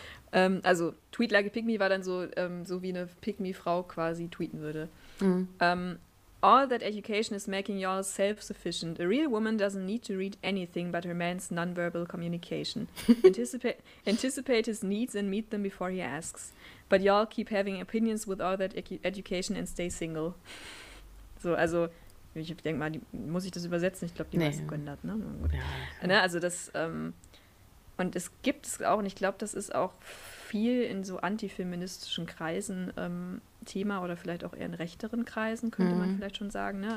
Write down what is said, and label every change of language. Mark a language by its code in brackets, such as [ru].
[de] Also Tweet Like a Pick Me war dann so, so wie eine Pick Me-Frau quasi tweeten würde. [en] All that education is making y'all self-sufficient. A real woman doesn't need to read anything but her man's non-verbal communication. Anticipate his needs and meet them before he asks. But y'all keep having opinions with all that education and stay single. [de] So, also, ich denke mal, muss ich das übersetzen? Ich glaube, die meisten können das, ne? Gut. Ja, ne, also das, und es gibt es auch, und ich glaube, das ist auch viel in so antifeministischen Kreisen Thema oder vielleicht auch eher in rechteren Kreisen, könnte man vielleicht schon sagen, ne?